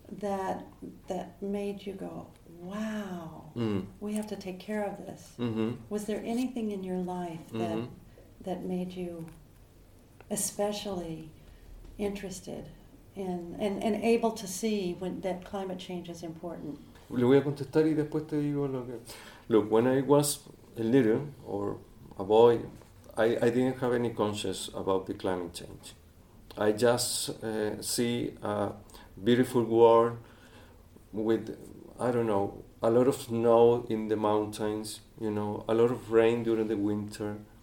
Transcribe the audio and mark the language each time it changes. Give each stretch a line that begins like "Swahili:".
English: That made you go, wow, mm. we have to take care of this. Mm-hmm. Was there anything in your life that mm-hmm. that made you especially interested in and able to see when that climate change is important?
Spanish: Le voy a contestar y después te digo lo que...
English: Look, when I was a little or a boy, I didn't have any conscience about the climate change. I just see a beautiful world with, I don't know, a lot of snow in the mountains, you know, a lot of rain during the winter.